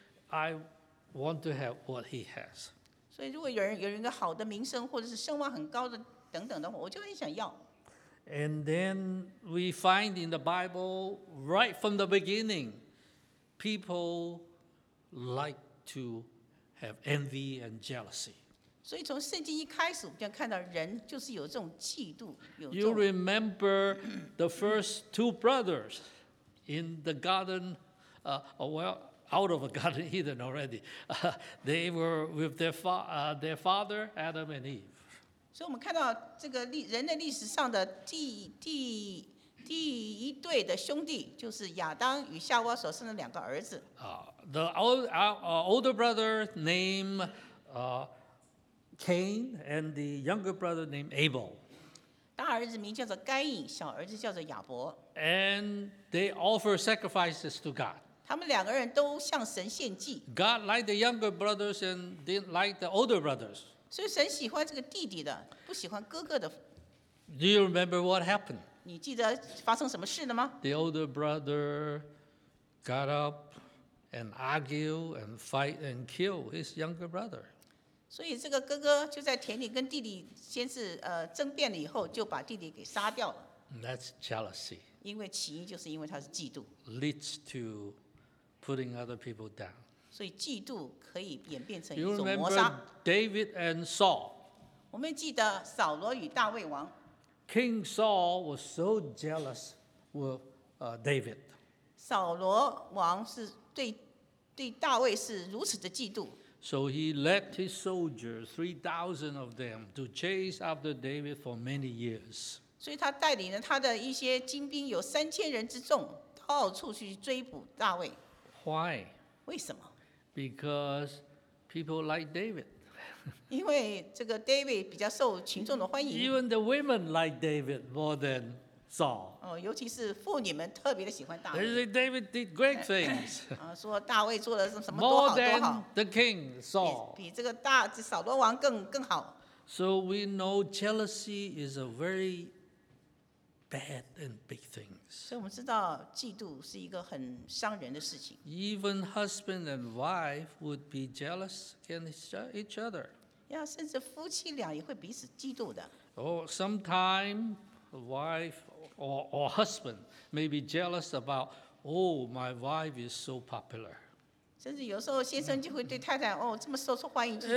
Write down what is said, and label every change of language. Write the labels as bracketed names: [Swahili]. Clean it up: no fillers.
[English] I want to have what he has. [Chinese] 所以如果有人一个好的名声或者是声望很高的等等的话我就很想要。 [English] And then we find in the Bible, right from the beginning, people like to have envy and jealousy. [Chinese] 所以从圣经一开始，我们就看到人就是有这种嫉妒。 [English] You remember the first two brothers in the garden, out of the Garden of Eden already. They were with their father, Adam and Eve. [Chinese] 所以我们看到这个人类历史上的第一对的兄弟就是亚当与夏娃所生的两个儿子。 [English] The older brother named Cain and the younger brother named Abel. [Chinese] 大儿子名叫做该隐，小儿子叫做亚伯。 [English] And they offer sacrifices to God. [Chinese] 他们两个人都向神献祭。 [English] God liked the younger brothers and didn't like the older brothers. [Chinese] 所以神喜欢这个弟弟的，不喜欢哥哥的。 [English] Do you remember what happened? [Chinese] 你记得发生什么事了吗？ [English] The older brother got up and argued and fight and kill his younger brother. [Chinese] 所以这个哥哥就在田里跟弟弟先是争辩了以后，就把弟弟给杀掉了。 [English] That's jealousy. [Chinese] 因为起因就是因为他是嫉妒。 [English] Leads to putting other people down. [Chinese] 所以嫉妒可以演变成一种谋杀。David and Saul. 我们记得扫罗与大卫王。 [English] King Saul was so jealous with David. [Chinese] 扫罗王是对大卫是如此的嫉妒。 [English] So he led his soldiers, 3,000 of them, to chase after David for many years. [Chinese] 所以他带领了他的一些精兵，有3000人之众，到处去追捕大卫。 [English] Why? [Chinese] 为什么？ [English] Because people like David. [Chinese] 因为这个 David 比较受群众的欢迎。 [English] Even the women like David more than Saul. [Chinese] 尤其是妇女们特别的喜欢大卫。 [English] They say David did great things. [Chinese] 说大卫做了什么多好多好。 [English] More than the king Saul. [Chinese] 比这个扫罗王更好。 [English] So we know jealousy is a very bad and big things. [Chinese] 所以我们知道嫉妒是一个很伤人的事情。 [English] Even husband and wife would be jealous against each other. [Chinese] 甚至夫妻俩也会彼此嫉妒的。 [English] Or sometime wife or husband may be jealous about, oh, my wife is so popular. [Chinese] 甚至有时候先生就会对太太，这么受欢迎，就是